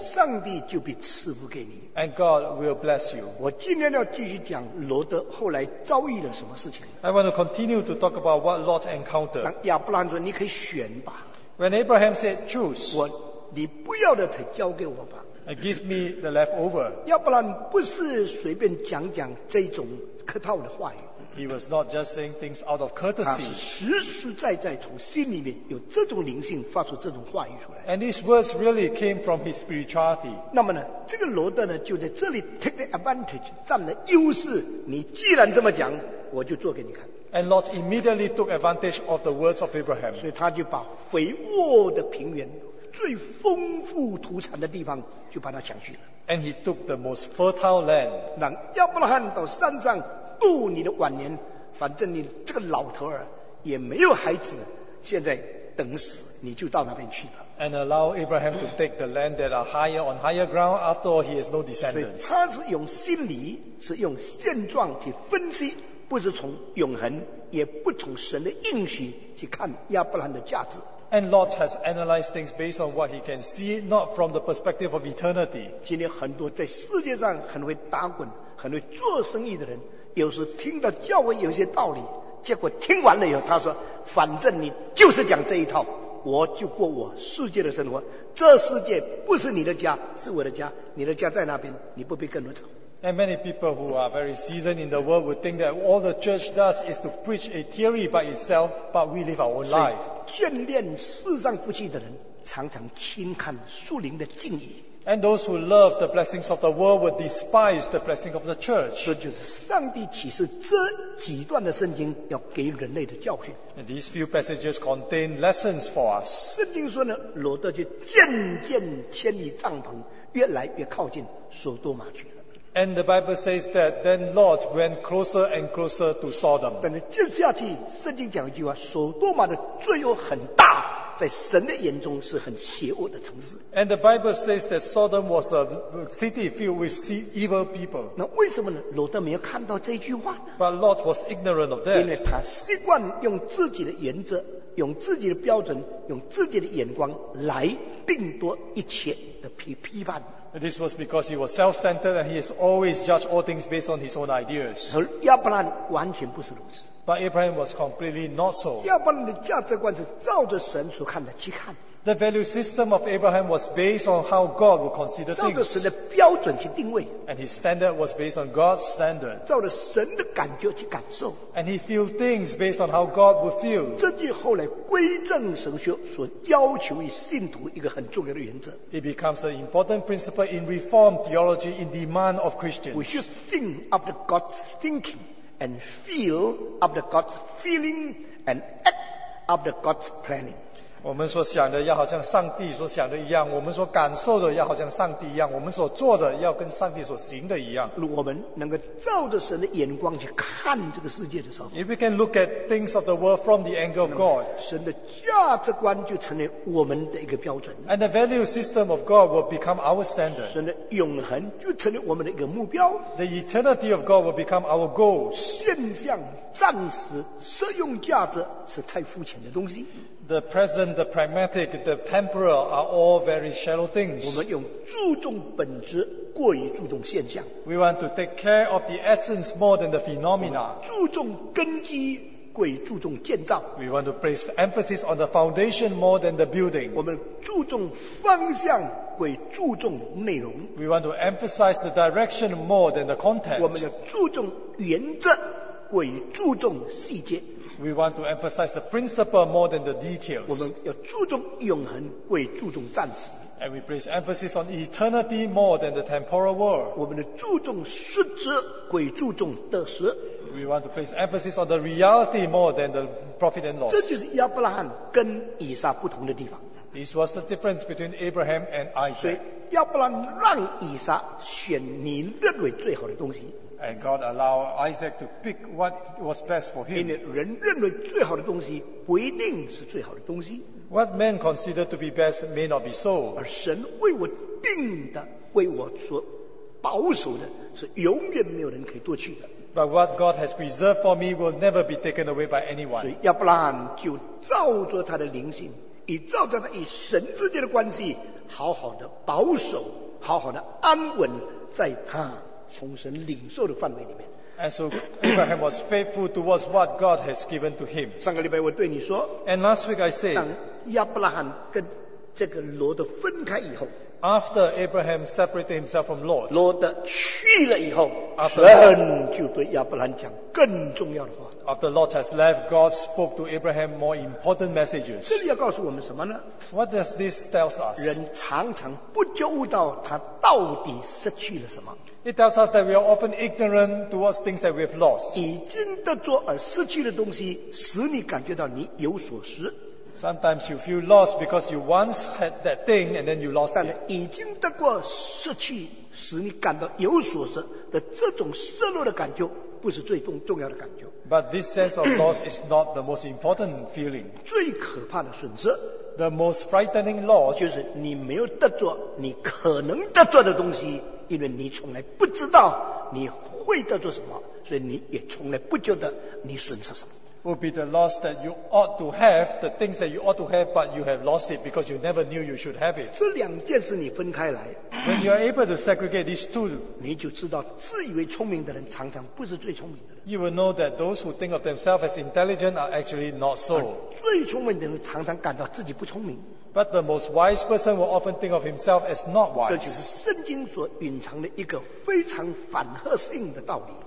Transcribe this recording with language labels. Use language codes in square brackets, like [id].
[zh] 上帝就必赐福给你。 [en] And God will bless you. [zh] 我今天要继续讲罗德后来遭遇了什么事情。 [en] I want to continue to talk about what Lot encountered. [zh] 亚伯兰说：“你可以选吧。” [en] When Abraham said, "Choose." [zh] 我，你不要的才交给我吧。 [en] Give me the leftover. [zh] 亚伯兰不是随便讲讲这种客套的话语。 [en] He was not just saying things out of courtesy. [zh] 他实实在在从心里面有这种灵性发出这种话语出来。 [en] And these words really came from his spirituality. [zh] 那么呢，这个罗德呢就在这里 [en] take the advantage, [zh] 占了优势。你既然这么讲，我就做给你看。 [en] And Lot immediately took advantage of the words of Abraham. [zh] 所以他就把肥沃的平原、最丰富土产的地方就把它抢去了。 [en] And he took the most fertile land. [zh] 让亚伯拉罕到山上。度你的晚年，反正你这个老头儿也没有孩子，现在等死，你就到那边去了。 [en] And allow Abraham to take the land that are higher on higher ground. After all, he has no descendants. [zh] 他是用心理，是用现状去分析，不是从永恒，也不从神的应许去看亚伯兰的价值。 [en] And Lot has analyzed things based on what he can see, not from the perspective of eternity. [zh] 今天很多在世界上很会打滚、很会做生意的人。有时听到教会有些道理，结果听完了以后，他说：“反正你就是讲这一套，我就过我世界的生活。这世界不是你的家，是我的家。你的家在那边，你不必跟我走。” [en] And many people who are very seasoned in the world would think that all the church does is to preach a theory by itself, but we live our own life. [zh] 眷恋世上福气的人，常常轻看树林的静谧。 [en] And those who love the blessings of the world will despise the blessing of the church. [zh] 这就是上帝启示这几段的圣经要给人类的教训。 [en] And these few passages contain lessons for us. [zh] 圣经说呢，罗德就渐渐迁移帐篷，越来越靠近索多玛去了。 [en] And the Bible says that then Lot went closer and closer to Sodom. [zh] 但是接下去圣经讲一句话，索多玛的罪恶很大。在神的眼中是很邪恶的城市。 [en] And the Bible says that Sodom was a city filled with evil people. [zh] 那为什么呢？罗德没有看到这句话呢？ [en] But Lot was ignorant of that. [zh] 因为他习惯用自己的原则、用自己的标准、用自己的眼光来定夺一切的批判。 [en] This was because he was self-centered and he has always judged all things based on his own ideas. [zh] 亚伯兰完全不是如此。 [en] But Abraham was completely not so. [zh] 亚伯兰的价值观是照着神所看的去看。 [en] The value system of Abraham was based on how God would consider things. [zh] 照着神的标准去定位。 [en] And his standard was based on God's standard. [zh] 照着神的感觉去感受。 [en] And he feel things based on how God would feel. [zh] 这就后来归正神学所要求于信徒一个很重要的原则。 [en] It becomes an important principle in Reformed theology in demand of Christians. We should think after God's thinking. And feel after God's feeling and act after God's planning. [zh] 我们所想的要好像上帝所想的一样，我们所感受的要好像上帝一样，我们所做的要跟上帝所行的一样。如果我们能够照着神的眼光去看这个世界的时候， [en] If we can look at things of the world from the angle of God, [zh] 神的价值观就成为我们的一个标准。 [en] And the value system of God will become our standard. [zh] 神的永恒就成为我们的一个目标。 [en] The eternity of God will become our goal. [zh] 现象暂时实用价值是太肤浅的东西。 [en] The present, the pragmatic, the temporal are all very shallow things. [zh] 我们用注重本质过于注重现象。 [en] We want to take care of the essence more than the phenomena. [zh] 注重根基过于注重建造。 [en] We want to place emphasis on the foundation more than the building. [zh] 我们注重方向过于注重内容。 [en] We want to emphasize the direction more than the content. [zh] 我们要注重原则过于注重细节。 [en] We want to emphasize the principle more than the details. [zh] 我们要注重永恒，过于注重暂时。 [en] And we place emphasis on eternity more than the temporal world. [zh] 我们的注重实质，过于注重得失。 [en] We want to place emphasis on the reality more than the profit and loss. [zh] 这就是亚伯拉罕跟以撒不同的地方。 [en] This was the difference between Abraham and Isaac. [zh] 所以亚伯拉罕让以撒选你认为最好的东西。 [en] And God allowed Isaac to pick what was best for him. [zh] 因为人认为最好的东西不一定是最好的东西。 [en] What men consider to be best may not be so. [zh] 而神为我定的，为我所保守的，是永远没有人可以夺去的。 [en] But what God has reserved for me will never be taken away by anyone. [zh] 所以亚伯拉罕就照着他的灵性，以照着他与神之间的关系，好好的保守，好好的安稳在他。从神领受的范围里面。 [en] And so Abraham was faithful towards what God has given to him. [zh] 上个礼拜我对你说。 [en] And last week I said. [zh] 当亚伯拉罕跟这个罗德分开以后。 [en] After Abraham separated himself from Lot. [zh] 罗德去了以后。神就对亚伯拉罕讲更重要的话。 [en] After Lot has left, God spoke to Abraham more important messages. [zh] 这里要告诉我们什么呢？ [en] What does this tell us? [zh] 人常常不觉悟到他到底失去了什么。 [en] It tells us that we are often ignorant towards things that we have lost. [zh] 已经得着而失去的东西，使你感觉到你有所失。 [en] Sometimes you feel lost because you once had that thing and then you lost it. [zh] 但已经得过失去，使你感到有所失的这种失落的感觉，不是最重要的感觉。 [en] But this sense of loss is not the most important feeling. [zh] 最可怕的损失。 [en] The most frightening loss. [zh] 就是你没有得着你可能得着的东西。因为你从来不知道你会得做什么，所以你也从来不觉得你损失什么。 [en] Would be the loss that you ought to have, the things that you ought to have, but you have lost it because you never knew you should have it. [zh] 这两件事你分开来。 [en] When you are able to segregate these two, [zh] 你就知道自以为聪明的人常常不是最聪明的人。 [en] You will know that those who think of themselves as intelligent are actually not so. [zh] 最聪明的人常常感到自己不聪明。 [en] But the most wise person will often think of himself as not wise. [zh] 这就是圣经所隐藏的一个非常反合性的道理。